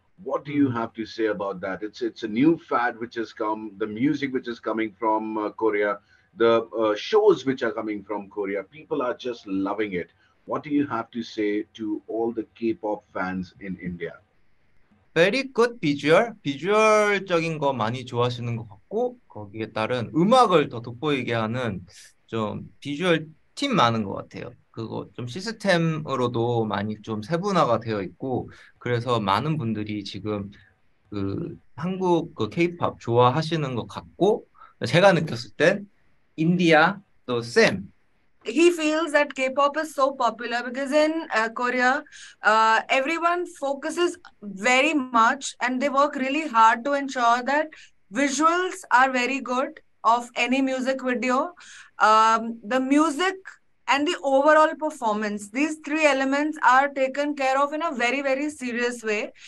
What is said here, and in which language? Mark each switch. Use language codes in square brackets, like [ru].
[en] What do you have to say about that? It's a new fad which has come, the music which is coming from Korea, the shows which are coming from Korea. People are just loving it. What do you have to say to all the K-pop fans in India? Very good visual. [ko] 비주얼적인 거 많이 좋아하시는 것 같고 거기에 따른 음악을 더 돋보이게 하는 좀 비주얼 팀 많은 것 같아요. 그거 좀 시스템으로도 많이 좀 세분화가 되어 있고 그래서 많은 분들이 지금 그 한국 그 K-pop 좋아하시는 것 같고 제가 느꼈을 땐 인디아 또 샘 [en] He feels that K-pop is so popular because in Korea, everyone focuses very much and they work really hard to ensure that visuals are very good of any music video. The music and the overall performance, these three elements are taken care of in a very, very serious way.